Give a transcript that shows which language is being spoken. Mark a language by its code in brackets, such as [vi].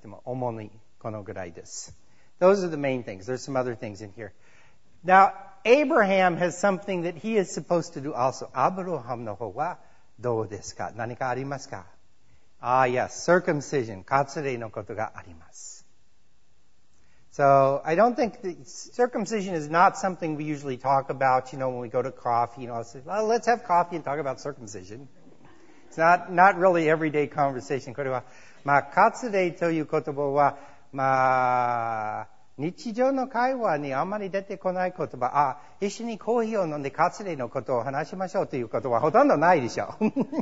[ja] でも主にこのぐらいです。 [en] Those are the main things. There's some other things in here. Now, Abraham has something that he is supposed to do also. [ja] アブラハムの方はどうですか？何かありますか？ [en] Ah, yes. Circumcision. [ja] 割礼のことがあります。 [en] So, I don't think that circumcision is not something we usually talk about, you know, when we go to coffee, you know, I'll say, well, let's have coffee and talk about circumcision. It's not really everyday conversation. [ja] これは、まあ、割礼という言葉は、まあ、日常の会話にあまり出てこない言葉、あ、一緒にコーヒーを飲んで割礼のことを話しましょうという言葉はほとんどないでしょう。